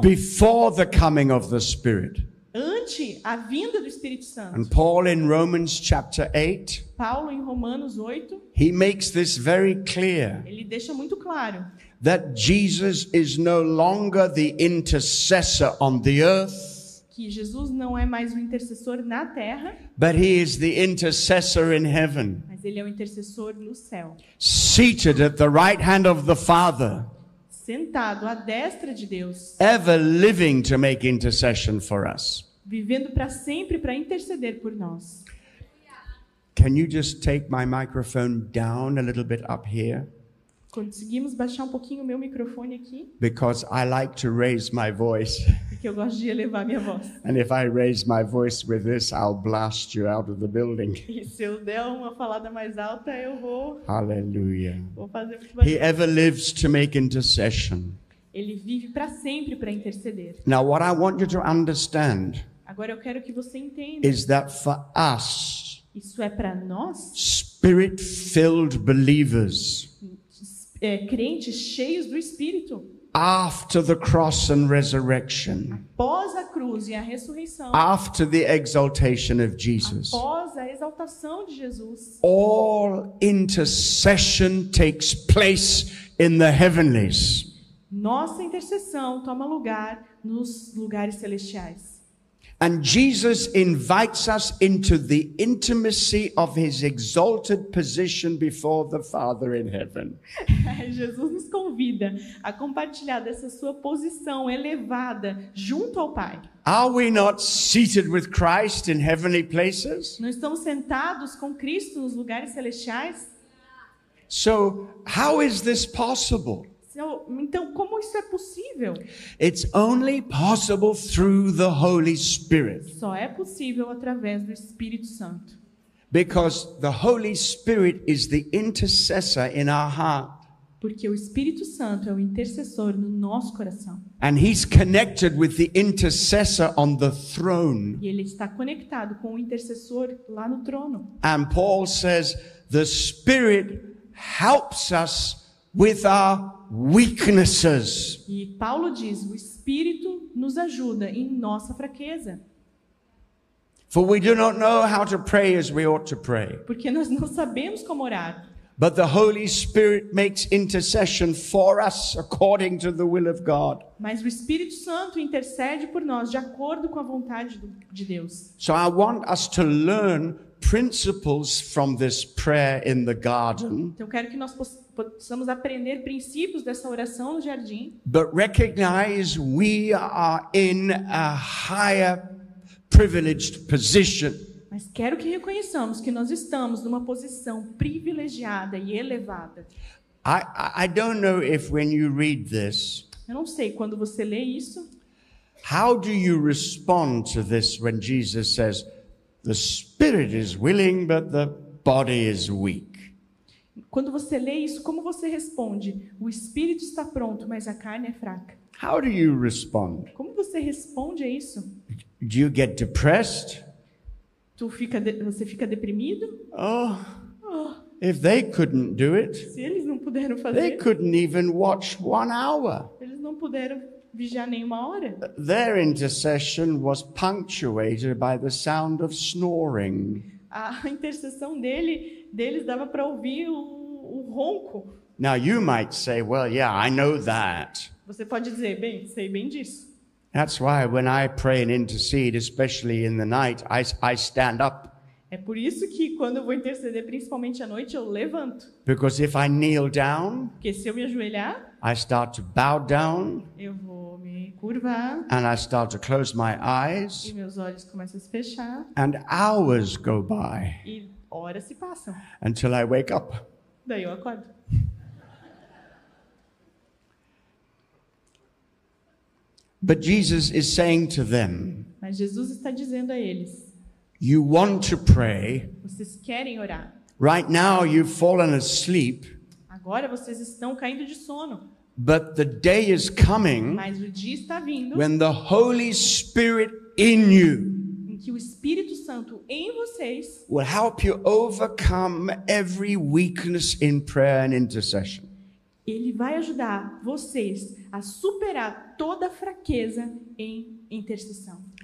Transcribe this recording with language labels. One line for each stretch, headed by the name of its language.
English: before the coming of the Spirit,
Portuguese: ante durante a vinda do Espírito Santo.
English: And Paul in Romans chapter 8,
Portuguese: Paulo em Romanos 8,
English: he makes this very clear.
Portuguese: Ele deixa muito claro.
English: That Jesus is no longer the intercessor on the earth.
Portuguese: Que Jesus não é mais o intercessor na terra.
English: But he is the intercessor in heaven.
Portuguese: Mas ele é o intercessor no céu.
English: Seated at the right hand of the Father.
Portuguese: Sentado à destra de Deus.
English: Ever living to make intercession for us.
Portuguese: Vivendo para sempre para interceder por nós.
English: Can you just take my microphone down a little bit up here?
Portuguese: Conseguimos baixar um pouquinho o meu microfone aqui?
English: Because I like to raise my voice.
Portuguese: Porque eu gosto de elevar minha voz.
English: And if I raise my voice with this, I'll blast you out of the building.
Portuguese: E se eu der uma falada mais alta, eu vou.
English: Hallelujah.
Portuguese: Vou fazer muito barulho.
English: He ever lives to make intercession.
Portuguese: Ele vive para sempre para interceder.
English: Now what I want you to understand.
Portuguese: Agora eu quero que você entenda.
English: Is that for us?
Portuguese: Isso é para nós?
English: Spirit-filled believers.
Portuguese: Crentes cheios do Espírito.
English: After the cross and resurrection.
Portuguese: Após a cruz e a ressurreição.
English: After the exaltation of Jesus.
Portuguese: Após a exaltação de Jesus.
English: All intercession takes place in the heavenlies.
Portuguese: Nossa intercessão toma lugar nos lugares celestiais.
English: And Jesus invites us into the intimacy of his exalted position before the Father in heaven.
Portuguese: Jesus nos convida a compartilhar dessa sua posição elevada junto ao Pai.
English: Are we not seated with Christ in heavenly places?
Portuguese: Não estamos sentados com Cristo nos lugares celestiais?
English: So, how is this possible?
Portuguese: Então, como isso é possível?
English: It's only possible through the Holy Spirit.
Portuguese: Só é possível através do Espírito Santo.
English: Because the Holy Spirit is the intercessor in our heart.
Portuguese: Porque o Espírito Santo é o intercessor no nosso coração.
English: And he's connected with the intercessor on the throne.
Portuguese: E ele está conectado com o intercessor lá no trono.
English: And Paul says the Spirit helps us with our weaknesses.
Portuguese: E Paulo diz, o Espírito nos ajuda em nossa fraqueza.
English: For we do not know how to pray as we ought to pray.
Portuguese: Porque nós não sabemos como orar.
English: But the Holy Spirit makes intercession for us according to the will of God.
Portuguese: Mas o Espírito Santo intercede por nós de acordo com a vontade de Deus.
English: So I want us to learn principles from this prayer in the garden.
Portuguese: Então quero que nós possamos aprender princípios dessa oração no jardim.
English: But recognize we are in a higher privileged position.
Portuguese: Mas quero que reconheçamos que nós estamos numa posição privilegiada e elevada.
English: I don't know if when you read this.
Portuguese: Eu não sei quando você lê isso.
English: How do you respond to this when Jesus says the spirit is willing, but the body is weak?
Portuguese: Quando você lê isso, como você responde? O espírito está pronto, mas a carne é fraca.
English: How do you respond?
Portuguese: Como você responde a isso?
English: Do you get depressed?
Portuguese: Você fica deprimido?
English: Oh, if they couldn't do it,
Portuguese: se eles não puderam fazer,
English: they couldn't even watch 1 hour.
Portuguese: Eles não puderam.
English: Their intercession was punctuated by the sound of snoring.
Portuguese: A intercessão deles dava para ouvir o ronco.
English: Now you might say, well, yeah, I know that.
Portuguese: Você pode dizer, bem, sei bem disso.
English: That's why when I pray and intercede, especially in the night, I stand up.
Portuguese: É por isso que quando eu vou interceder, principalmente à noite, eu levanto.
English: Because if I kneel down,
Portuguese: porque se eu me ajoelhar,
English: I start to bow down.
Portuguese: Eu vou me curvar.
English: And I start to close my eyes.
Portuguese: E meus olhos começam a se fechar.
English: And hours go by.
Portuguese: E horas se passam.
English: Until I wake up.
Portuguese: Daí eu acordo.
English: But Jesus is saying to them.
Portuguese: Mas Jesus está dizendo a eles.
English: You want to pray.
Portuguese: Vocês querem orar.
English: Right now you've fallen asleep.
Portuguese: Agora vocês estão caindo de sono.
English: But the day is coming.
Portuguese: Mas o dia está vindo.
English: When the Holy Spirit in you.
Portuguese: Em que o Espírito Santo em vocês.
English: Will help you overcome every weakness in prayer and intercession.
Portuguese: Ele vai ajudar vocês a superar toda a fraqueza em intercessão.